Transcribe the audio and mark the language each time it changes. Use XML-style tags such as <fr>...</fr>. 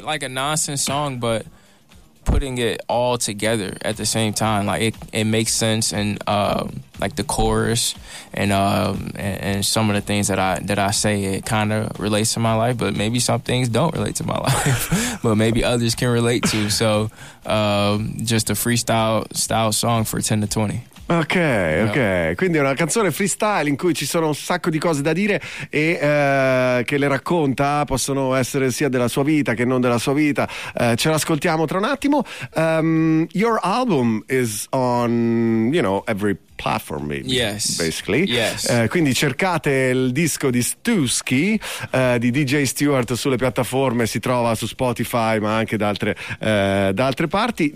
<en>like a nonsense song, but putting it all together at the same time. Like, it makes sense, and like the chorus and some of the things that I say, it kind of relates to my life, but maybe some things don't relate to my life, but maybe others can relate to. So just a freestyle style song for 10 to 20.</en> <it>Ok, ok, quindi è una canzone freestyle in cui ci sono un sacco di cose da dire e che le racconta, possono essere sia della sua vita che non della sua vita. Ce l'ascoltiamo tra un attimo.</it> <en>Your album is on, you know, every platform, maybe, yes, basically. Yes.</en> <it>Quindi cercate il disco di Stewski, di DJ Stewart, sulle piattaforme, si trova su Spotify ma anche da altre parti.</it>